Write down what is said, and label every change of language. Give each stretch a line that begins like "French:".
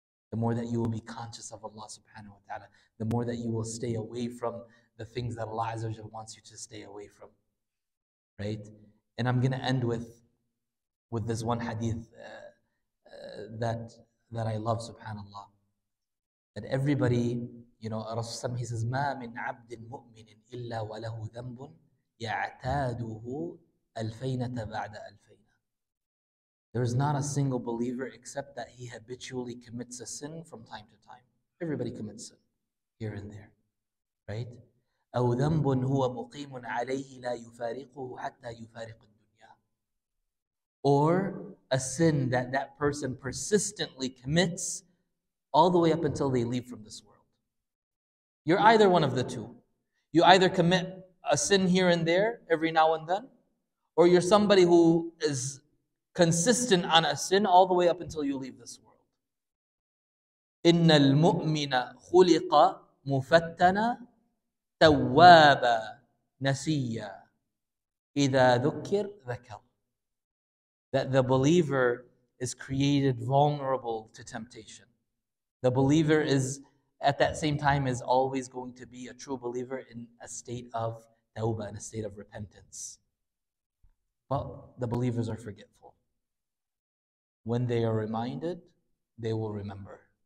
English: The more that you will be conscious of Allah subhanahu wa ta'ala. The more that you will stay away from the things that Allah azza wa jal wants you to stay away from. Right? And I'm going to end with this one hadith that I love, subhanAllah. That everybody, you know, Rasulullah, he says,
Arabic: مَا مِنْ عَبْدٍ مُؤْمِنٍ إِلَّا وَلَهُ ذَنْبٌ يَعْتَادُهُ أَلْفَيْنَةَ بَعْدَ أَلْفَيْنَةَ.
English: There is not a single believer except that he habitually commits a sin from time to time. Everybody commits sin here and there, right?
Arabic: أو ذنب هو مقيم عليه لا يفارقه حتى يفارق الدنيا.
English: Or a sin that person persistently commits all the way up until they leave from this world. You're either one of the two. You either commit a sin here and there every now and then, or you're somebody who is consistent on a sin all the way up until you leave this world.
Arabic: إن المؤمن خلق مفتنا تواب نسيا إذا ذكر ذكر.
English: That the believer is created vulnerable to temptation. The believer is at that same time is always going to be a true believer in a state of tawbah, in a state of repentance. But the believers are forgetful. When they are reminded, they will remember.